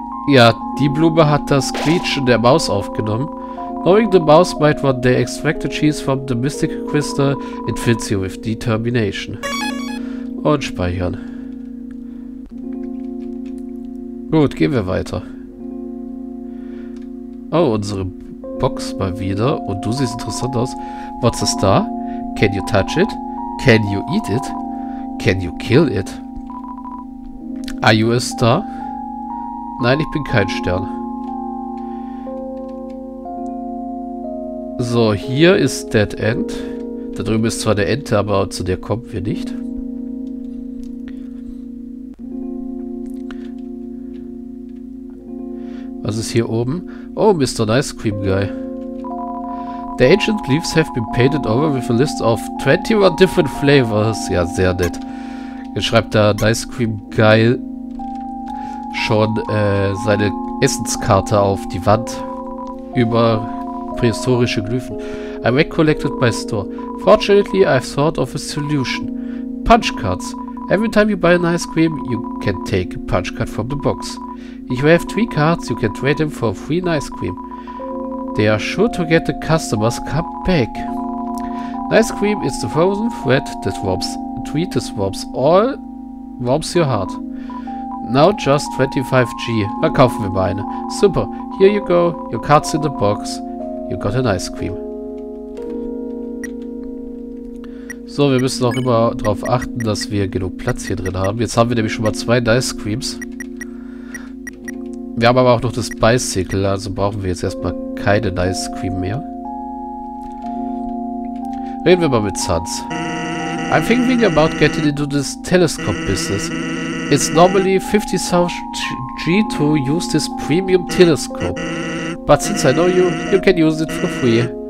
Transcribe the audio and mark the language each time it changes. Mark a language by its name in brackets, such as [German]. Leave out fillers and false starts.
[German] Ja, die Blume hat das Quietschen der Maus aufgenommen. [English] Knowing the mouse might want to extract the cheese from the mystical crystal, it fits you with determination. [German] Und speichern. Gut, gehen wir weiter. Oh, unsere Box mal wieder. Und du siehst interessant aus. [English] What's this da? Can you touch it? Can you eat it? Can you kill it? Are you a star? [German] Nein, ich bin kein Stern. So, hier ist Dead End. Da drüben ist zwar der Ente, aber zu der kommen wir nicht. Was ist hier oben? Oh, Mr. Nice Cream Guy. [English] The ancient leaves have been painted over with a list of 21 different flavors. [German] Ja, sehr nett. Jetzt schreibt der Nice Cream Guy schon seine Essenskarte auf die Wand über prähistorische Glyphen. [English] I recollected my store. Fortunately, I've thought of a solution. Punch cards. Every time you buy an ice cream, you can take a punch card from the box. If you have 3 cards, you can trade them for a free ice cream. They are sure to get the customer's cup back. Ice cream is the frozen thread that warms, treat that warms all, warms your heart. Now just 25G. [German] Na, kaufen wir mal eine. Super. [English] Here you go. Your card's in the box. You got an ice cream. [German] So, wir müssen auch immer darauf achten, dass wir genug Platz hier drin haben. Jetzt haben wir nämlich schon mal 2 Ice Creams. Wir haben aber auch noch das Bicycle, also brauchen wir jetzt erstmal keine Ice Cream mehr. Reden wir mal mit Sans. [English] I'm thinking about getting into this telescope business. It's normally 50,000 G to use this premium telescope. But since I know you, you can use it for free.